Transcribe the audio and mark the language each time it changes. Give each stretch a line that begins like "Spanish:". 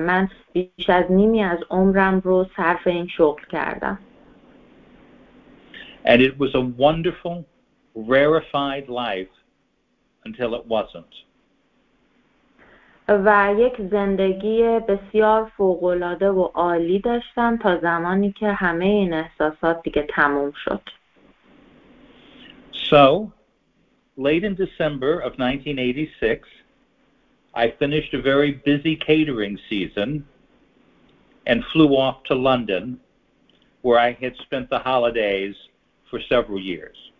Persian: من بیش از نیمی از عمرم رو صرف این شغل کردم.
English: And it was a wonderful, rarefied life until it wasn't.
Persian: و یک زندگی بسیار فوق‌العاده و عالی داشتم تا زمانی که همه این احساسات دیگه تموم شد.
English: So, late in December of 1986, I finished a very busy catering season and flew off to London, where I had spent the holidays for several years.